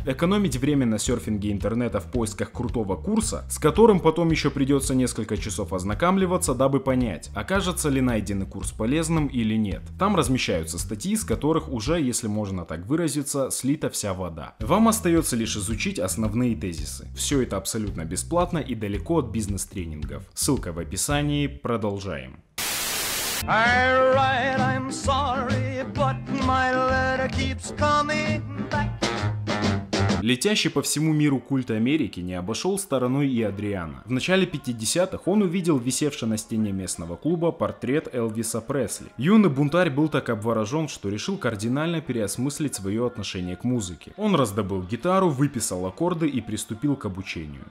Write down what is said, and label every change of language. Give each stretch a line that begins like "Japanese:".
Russian: экономить время на серфинге интернета в поисках крутого курса, с которым потом еще придется несколько часов ознакомливаться, дабы понять, окажется ли найденный курс полезным или нет. Там размещаются статьи, из которых уже, если можно так выразиться, слита вся вода. Вам остается лишь изучить основные тезисы. Все это абсолютно бесплатно и далеко от бизнес-тренингов. Ссылка в описании, продолжаем.
English: I write, I'm sorry, but my letter keeps coming back.
Russian: Летящий по всему миру культ Америки не обошел стороной и Адриано. В начале 50-х он увидел висевший на стене местного клуба портрет Элвиса Пресли. Юный бунтарь был так обворожен, что решил кардинально переосмыслить свое отношение к музыке. Он раздобыл гитару, выписал аккорды и приступил к обучению.